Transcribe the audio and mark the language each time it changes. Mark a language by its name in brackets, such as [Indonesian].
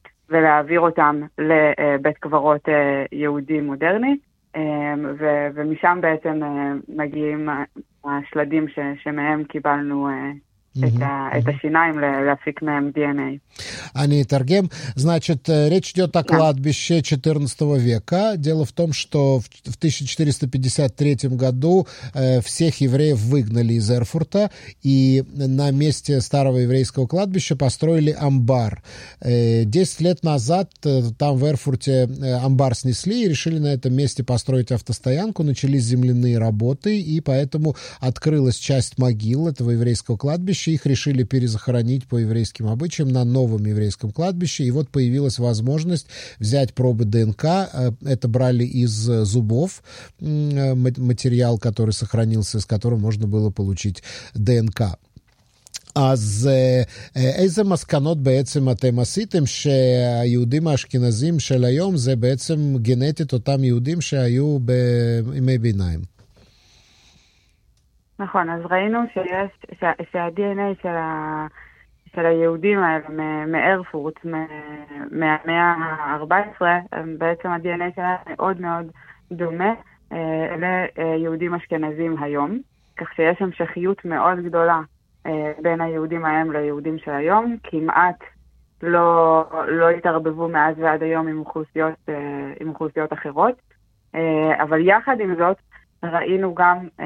[Hebrew] ולהעביר אותם לבית קברות יהודי מודרני, ומשם בעצם מגיעים השלדים שמהם קיבלנו את השיניים להפיק מהם DNA. אני אתרגם. [Russian] Значит, речь идет о кладбище 14 века. Дело в том, что в 1453 году всех евреев выгнали из Эрфурта, и на месте старого еврейского кладбища построили амбар. 10 лет назад там в Эрфурте амбар снесли и решили на этом месте построить автостоянку. Начались земляные работы, и поэтому открылась часть могил этого еврейского кладбища. Их решили перезахоронить по еврейским обычаям на новом еврейском кладбище, и вот появилась возможность взять пробы ДНК. Это брали из зубов, материал, который сохранился, с которым можно было получить ДНК. [Hebrew] אז איזה מסקנות בעצם אתם עשיתם שהיהודים האשכנזים של היום זה בעצם גנטית אותם יהודים שהיו בימי ביניים? נכון, אז ראינו שה-DNA של של היהודים האלה מארפורט מהמאה ה-14, בעצם ה-DNA שלה מאוד מאוד דומה ליהודים אשכנזים היום, כך שיש המשכיות מאוד גדולה בין היהודים ההם ליהודים של היום, כמעט לא התערבבו מאז ועד היום עם אוכלוסיות אחרות, אבל יחד עם זאת ראינו גם